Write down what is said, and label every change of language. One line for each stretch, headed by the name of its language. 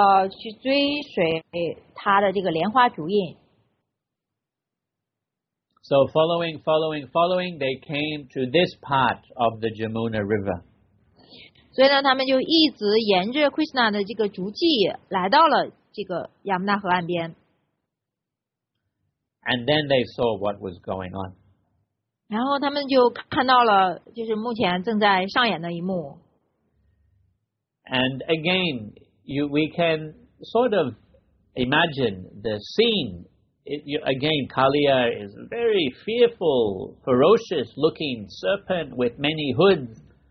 Chinese: 去追随他的这个莲花烛印。
English: So following, they came to this part of the Jamuna River.
Chinese: 所以呢，他们就一直沿着 Krishna 的这个足迹来到了这个亚穆纳河岸边。
English: And then they saw what was going on.
Chinese: 然后他们就看到了就是目前正在上演的一幕。
English: And again, we can sort of imagine the scene. Again, Kaliya is a very fearful, ferocious looking serpent with many hoods.